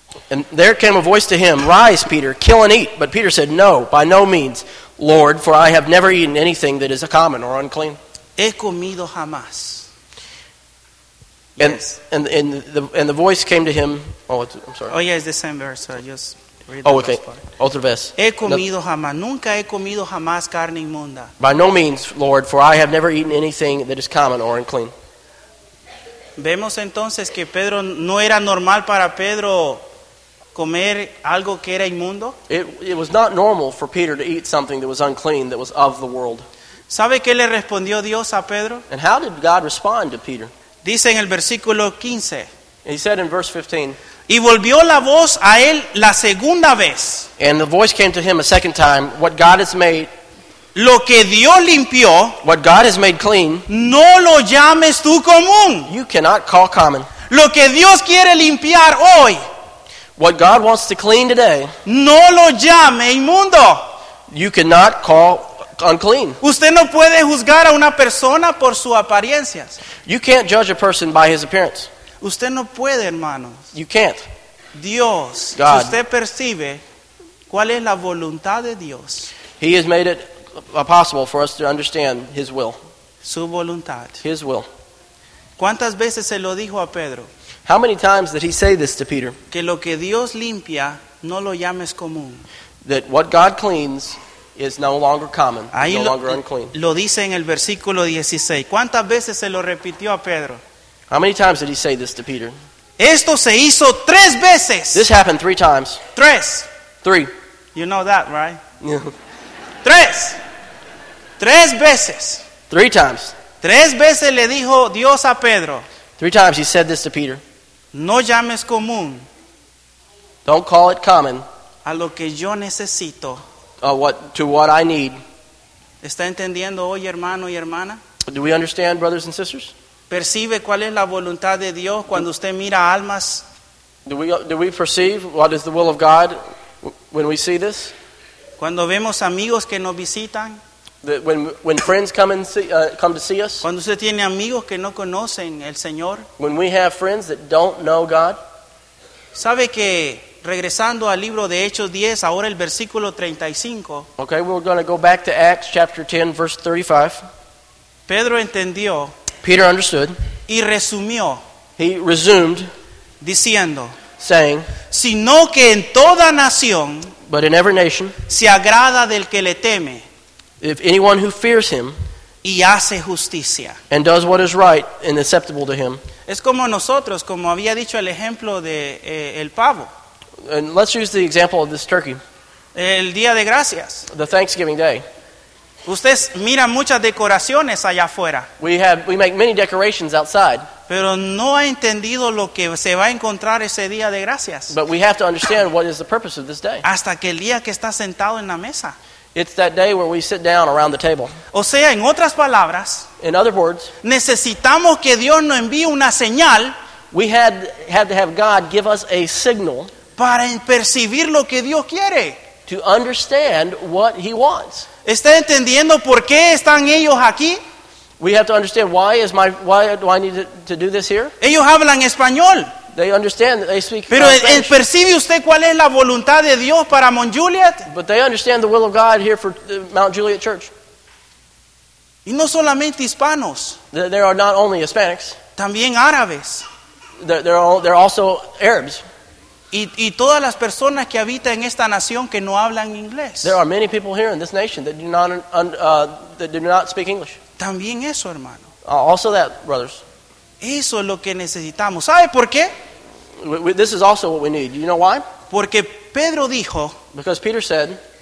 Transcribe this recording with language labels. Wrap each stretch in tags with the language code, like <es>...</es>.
<en>And there came a voice to him, "Rise, Peter, kill and eat." But Peter said, "No, by no means, Lord, for I have never eaten anything that is common or unclean."</en> <es>He comido jamás.</es> <en>And, yes. And the voice came to him. Oh, I'm sorry. Oh, yeah, it's the same verse. So I just read the Last part.</en> <es>Otra vez. He comido jamás. Nunca he comido jamás carne inmunda.</es> <en>By no means, Lord, for I have never eaten anything that is common or unclean.</en> <es>Vemos entonces que Pedro no era normal para Pedro comer algo que era inmundo.</es> <en>It was not normal for Peter to eat something that was unclean, that was of the world.</en> <es>¿Sabe qué le respondió Dios a Pedro?</es> <en>And how did God respond to Peter?</en> <es>Dice en el versículo 15.</es> <en>He said in verse 15.</en> <es>Y volvió la voz a él la segunda vez.</es> <en>And the voice came to him a second time. What God has made.</en> <es>Lo que Dios limpió.</es> <en>What God has made clean.</en> <es>No lo llames tú común.</es> <en>You cannot call common.</en> <es>Lo que Dios quiere limpiar hoy.</es> <en>What God wants to clean today.</en> <es>No lo llame inmundo.</es> <en>You cannot call unclean.</en> <es>Usted no puede juzgar a una persona por su apariencia.</es> <en>You can't judge a person by his appearance.</en> <es>Usted no puede, hermanos.</es> <en>You can't.</en> <es>Dios,</es> <en>God,</en> <es>si usted percibe cuál es la voluntad de Dios.</es> <en>He has made it possible for us to understand his will.</en> <es>Su voluntad.</es> <en>His will.</en> <es>¿Cuántas veces se lo dijo a Pedro?</es> <en>How many times did he say this to Peter?</en> <es>Que lo que Dios limpia, no lo llames común.</es> <en>That what God cleans is no longer common,</en> <es>ahí no lo,</es> <en>longer unclean.</en> <es>Lo dice en el versículo 16. ¿Cuántas veces se lo repitió a Pedro?</es> <en>How many times did he say this to Peter?</en> <es>Esto se hizo tres veces.</es> <en>This happened three times.</en> <es>Tres.</es> <en>Three. You know that, right? Yeah.</en> <es>Tres. Tres veces.</es> <en>Three times.</en> <es>Tres veces le dijo Dios a Pedro.</es> <en>Three times he said this to Peter.</en> <es>No llames común.</es> <en>Don't call it common.</en> <es>A lo que yo necesito.</es> <en>To what I need.</en> <es>¿Está entendiendo hoy, hermano y hermana?</es> <en>Do we understand, brothers and sisters?</en> <es>¿Percibe cuál es la voluntad de Dios cuando usted mira almas?</es> <en>Do we perceive what is the will of God when we see this?</en> <es>Cuando vemos amigos que nos visitan.</es> <en>When friends come and see, come to see us.</en> <es>Cuando usted tiene amigos que no conocen el Señor.</es> <en>When we have friends that don't know God.</en> <es>¿Sabe que regresando al libro de Hechos 10, ahora el versículo 35?</es> <en>Okay, we're going to go back to Acts chapter 10, verse 35.</en> <es>Pedro entendió.</es> <en>Peter understood.</en> <es>Y resumió.</es> <en>He resumed.</en> <es>Diciendo.</es> <en>Saying.</en> <es>Sino que en toda nación.</es> <en>But in every nation.</en> <es>Se agrada del que le teme.</es> <en>If anyone who fears him</en> <es>y hace justicia</es> <en>and does what is right and acceptable to him.</en> <es>Es como nosotros, como había dicho el ejemplo de el pavo.</es> <en>And let's use the example of this turkey.</en> <es>El día de gracias.</es> <en>The Thanksgiving Day.</en> <es>Ustedes miran muchas decoraciones allá afuera.</es> <en>We make many decorations outside.</en> <es>Pero no ha entendido lo que se va a encontrar ese día de gracias.</es> <en>But we have to understand what is the purpose of this day.</en> <es>Hasta que el día que está sentado en la mesa.</es> <en>It's that day where we sit down around the table.</en> <es>O sea, en otras palabras,</es> <en>in other words,</en> <es>necesitamos que Dios nos envíe una señal.</es> <en>We had to have God give us a signal</en> <es>para percibir lo que Dios quiere.</es> <en>To understand what He wants.</en> <es>¿Está entendiendo por qué están ellos aquí?</es> <en>We have to understand why do I need to do this here?</en> <es>Ellos hablan español.</es> <en>They understand that they speak</en> <es>pero</es> <en>Spanish.</en> <es>¿Percibe usted cuál es la voluntad de Dios para Mount Juliet?</es> <en>But they understand the will of God here for the Mount Juliet Church.</en> <es>Y no solamente hispanos.</es> <en>There are not only Hispanics.</en> <es>También árabes.</es> <en>They're also Arabs.</en> <es>Y todas las personas que habitan en esta nación que no hablan inglés.</es> <en>There are many people here in this nation that do not speak English.</en> <es>También eso, hermano.</es> <en>Also that, brothers.</en> <es>Eso es lo que necesitamos. ¿Sabe por qué?</es> <en>This is also what we need. You know why?</en> <es>Porque Pedro dijo.</es> <en>Because Peter said.</en>